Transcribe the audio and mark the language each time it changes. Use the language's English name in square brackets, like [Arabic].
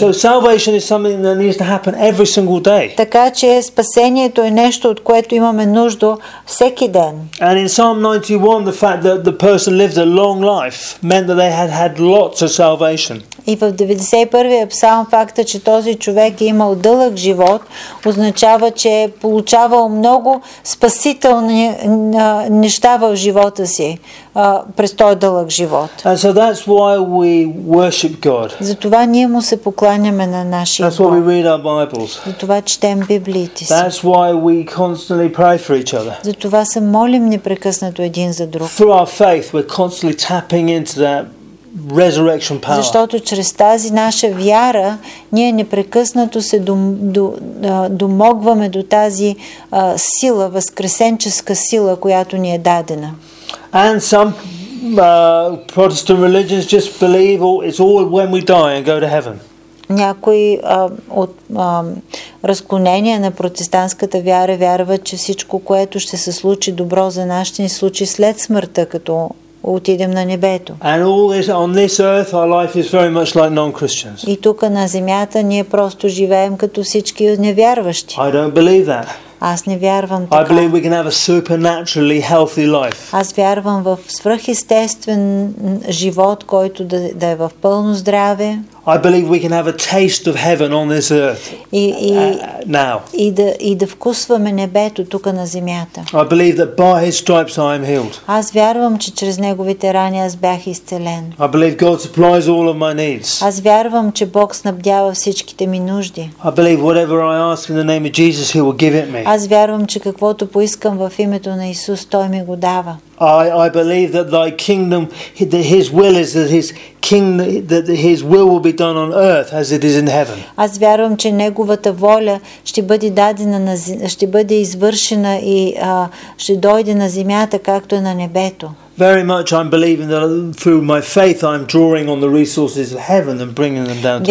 [English] So salvation is something that needs to happen every single day. [Bulgarian] Така че спасението е нещо, от което имаме нужда всеки ден. [English] And in Psalm 91 the fact that the person lived a long life meant that they had lots of salvation. [Bulgarian] И в 91-я псалм факта, че този човек е имал дълъг живот, означава, че е получавал много спасителни неща в живота си през този дълъг живот. [English] And so that's why we worship God. [Bulgarian] Затова ние му се покланяме на нашия Бог. [English] That's why we read our Bibles. [Bulgarian] Затова четем библиите си. [English] That's why we constantly pray for each other. [Bulgarian] Затова се молим непрекъснато един за друг. [English] Through our faith we're constantly tapping into that resurrection power. [Bulgarian] Защото чрез тази наша вяра ние непрекъснато се домогваме до тази сила, възкресенческа сила, която ни е дадена. [English] And some Protestant religions just believe it's all when we die and go to heaven. [Bulgarian] Някои от разклонения на протестантската вяра вярват, че всичко, което ще се случи добро за нас, ще ни случи след смъртта, като отидем на небето. [English] And all this, on this earth, our life is very much like non-Christians. [Bulgarian] И тук на земята ние просто живеем като всички невярващи. [English] I don't believe that. [Bulgarian] Аз не вярвам така. [English] I believe we can have a supernaturally healthy life. [Bulgarian] Аз вярвам в свръхестествен живот, който да е в пълно здраве. [English] I believe we can have a taste of heaven on this earth. Now. [Bulgarian] И да вкусваме небето тук на земята. [English] I believe that by his stripes I am healed. [Bulgarian] Аз вярвам, че чрез неговите рани аз бях изцелен. [English] I believe God supplies all of my needs. [Bulgarian] Аз вярвам, че Бог снабдява всичките ми нужди. [English] I believe whatever I ask in the name of Jesus he will give it me. [Bulgarian] Аз вярвам, че каквото поискам в името на Исус, той ми го дава. [English] I believe that thy kingdom, that his will is that his kingdom, that his will be done on earth as it is in heaven. [Bulgarian] Аз вярвам, че неговата воля ще бъде дадена ще бъде извършена и ще дойде на земята, както е на небето. [English] very much I'm believing that through my faith I'm drawing on the resources of heaven and bringing them down to